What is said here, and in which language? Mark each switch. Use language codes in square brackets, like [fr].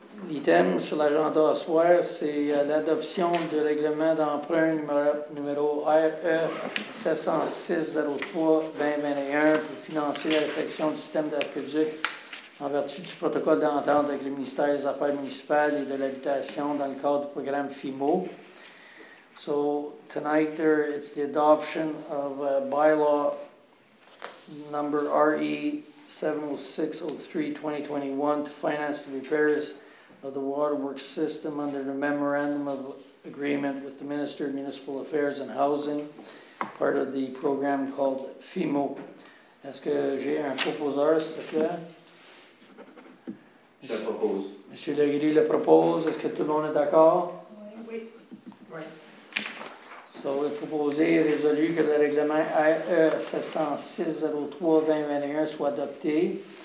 [fr] L'item sur l'agenda à soir, c'est l'adoption du règlement d'emprunt numéro RE-706-03-2021 pour financer la réfection du système d'aqueduc en vertu du protocole d'entente avec le ministère des Affaires municipales et de l'habitation dans le cadre du programme FIMO. [en] So, tonight there is the adoption of bylaw number RE-706-03-2021 to finance the repairs of the waterworks system under the Memorandum of Agreement with the Minister of Municipal Affairs and Housing, part of the program called FIMO. [fr] Est-ce que j'ai un proposeur, s'il vous plaît? Je propose. Monsieur Legris le propose. Est-ce que tout le monde est d'accord? Oui. Oui. So, est proposé et résolu que le règlement RE-706-03-2021 soit adopté.